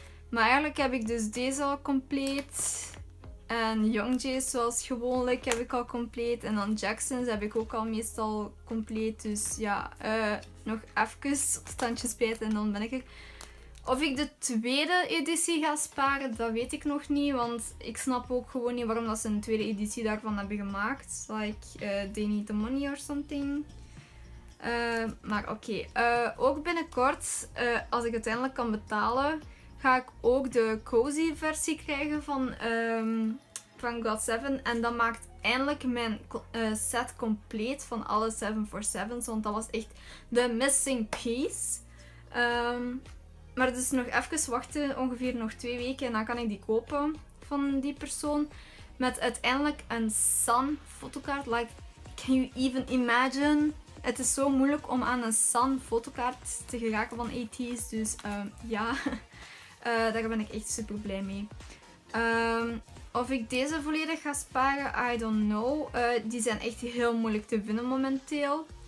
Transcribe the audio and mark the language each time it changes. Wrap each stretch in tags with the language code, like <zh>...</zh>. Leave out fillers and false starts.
<nl>Maar eigenlijk heb ik dus deze al compleet. En Youngjae zoals gewoonlijk heb ik al compleet. En dan Jackson's heb ik ook al meestal compleet. Dus ja, nog even standjes bijten en dan ben ik er. Of ik de tweede editie ga sparen, dat weet ik nog niet. Want ik snap ook gewoon niet waarom dat ze een tweede editie daarvan hebben gemaakt.</nl> <en>Like, they need the money or something.</en> <nl>Maar oké. Ook binnenkort, als ik uiteindelijk kan betalen, ga ik ook de cozy versie krijgen van GOT7. En dat maakt eindelijk mijn set compleet van alle 747's. Want dat was echt de</nl> <en>missing piece.</en> <nl>Maar dus nog even wachten, ongeveer nog 2 weken, en dan kan ik die kopen van die persoon. Met uiteindelijk een San fotokaart.</nl> <en>Like, can you even imagine?</en> <nl>Het is zo moeilijk om aan een San fotokaart te geraken van AT's. Dus ja, daar ben ik echt super blij mee. Of ik deze volledig ga sparen,</nl> <en>I don't know.</en> <nl>Die zijn echt heel moeilijk te vinden momenteel.</nl>